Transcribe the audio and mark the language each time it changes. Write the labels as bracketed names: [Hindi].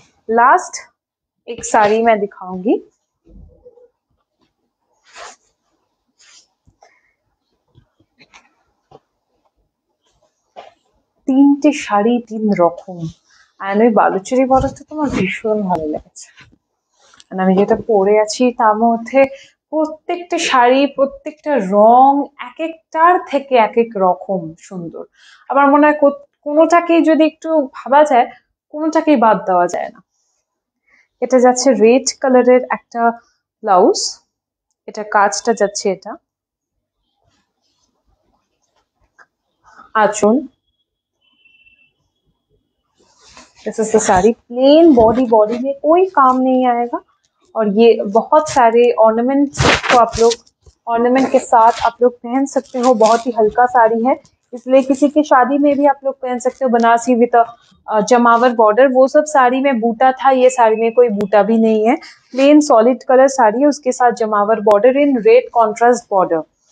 [Hindi] Last एक साड़ी मैं दिखाऊंगी, [Bangla] তিনটে শাড়ি তিন রকম। আর ওই বালুচরি বরফটা তোমার ভীষণ ভালো লেগেছে, মানে আমি যেটা পরে আছি তার মধ্যে প্রত্যেকটা শাড়ি প্রত্যেকটা রং এক একটার থেকে এক এক রকম সুন্দর। আমার মনে হয় কোনোটাকে যদি একটু ভাবা যায় কোনোটাকেই বাদ দেওয়া যায় না। এটা যাচ্ছে রেড কালারের একটা ব্লাউজ, এটা কাজটা যাচ্ছে, এটা আচল, [English] This is the sari. [Hindi] Plane body, body में कोई काम नहीं आएगा। और ये बहुत सारे ऑर्नामेंट को आप लोग ऑर्नामेंट के साथ आप लोग पहन सकते हो, बहुत ही हल्का साड़ी है इसलिए किसी की शादी में भी आप लोग पहन सकते हो। बनारसी विद जमावर बॉर्डर, वो सब साड़ी में बूटा था, ये साड़ी में कोई बूटा भी नहीं है, प्लेन सॉलिड कलर साड़ी है, उसके साथ jamawar border in red contrast border.